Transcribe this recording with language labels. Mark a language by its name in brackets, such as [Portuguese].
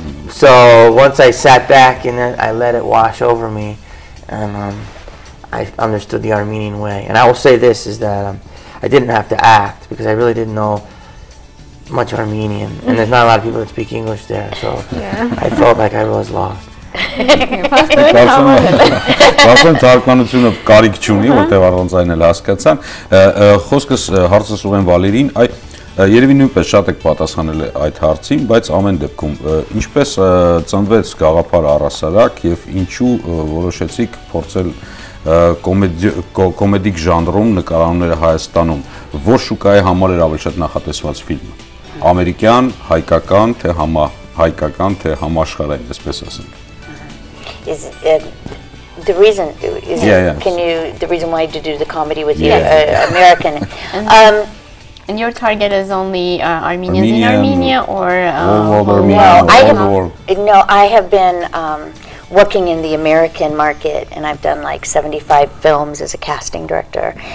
[English] So once I sat back and I let it wash over me, and I understood the Armenian way. And I will say this is that. I didn't have to act because I really didn't know much Armenian and there's not a lot of people that speak English there, so yeah. I felt like I was lost. [Armenian] Բացան թարգմանությունը կարիք չունի, որտեվ առանց այն էլ հասկացան։ Խոսքս հարցս ուղեմ Վալերին, այ երևի նույնպես շատ եք պատասխանել այդ հարցին, բայց ամեն դեպքում ինչպես ծնվեց գաղափար առասարակ եւ ինչու որոշեցիք փորձել կոմեդիկ ժանրում նկարահանումները Հայաստանում, որ շուկայի համար էր ավելի շատ նախատեսված ֆիլմը, ամերիկյան, հայկական, թե համահայկական, թե համաշխարհային, այսպես ասենք։ [English] Is the reason is can you the reason why to do the comedy with the American and your target is only Armenians in Armenia or Working in the American market, and I've done like 75 films as a casting director.